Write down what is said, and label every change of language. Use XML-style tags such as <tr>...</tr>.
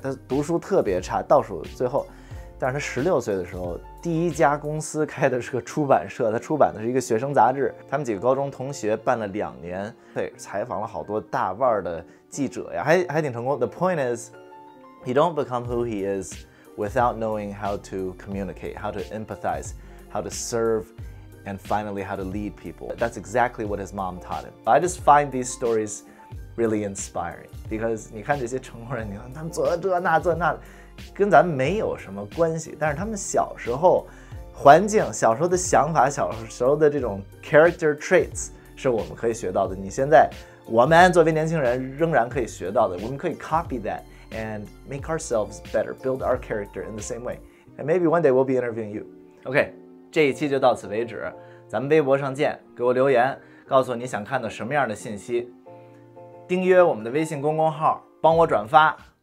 <zh>他读书特别差，倒数最后。但是他16岁的时候，第一家公司开的是个出版社，他出版的是一个学生杂志。他们几个高中同学办了2年，对，采访了好多大腕的记者呀，还挺成功。</zh> <en>The point is, he don't become who he is without knowing how to communicate, how to empathize, how to serve, and finally how to lead people. That's exactly what his mom taught him. I just find these stories. Really inspiring, because</en> <zh>你看这些成功人，你看他们做的这那做那，跟咱们没有什么关系。但是他们小时候环境、小时候的想法、小时候的这种</zh> <en>character traits</en> <zh>是我们可以学到的。你现在我们作为年轻人仍然可以学到的。我们可以</zh> <en>copy that and make ourselves better, build our character in the same way. And maybe one day we'll be interviewing you.</en> <zh>OK, 这一期就到此为止。咱们微博上见，给我留言，告诉你想看到什么样的信息。订阅我们的微信公共号，帮我转发。</zh>